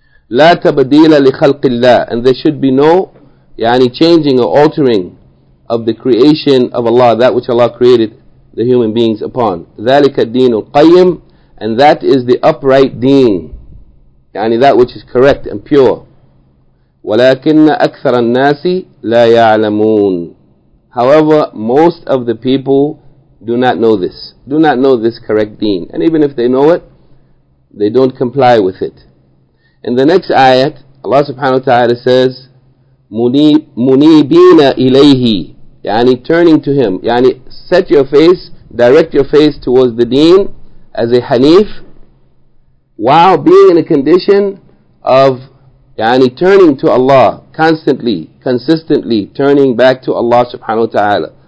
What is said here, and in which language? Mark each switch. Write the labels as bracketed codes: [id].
[ar] لا تبديل لخلق الله. [en] And there should be no يعني, changing or altering of the creation of Allah, that which Allah created the human beings upon. [ar] ذلك الدين القيم. [en] And that is the upright deen, يعني, that which is correct and pure. [ar] ولكن أكثر الناس لا يعلمون. [en] However, most of the people do not know this, do not know this correct deen. And even if they know it, they don't comply with it. In the next ayat, Allah subhanahu wa ta'ala says, munibina ilayhi, yani turning to Him, yani set your face, direct your face towards the deen as a hanif, while being in a condition of yani turning to Allah constantly, consistently turning back to Allah subhanahu wa ta'ala.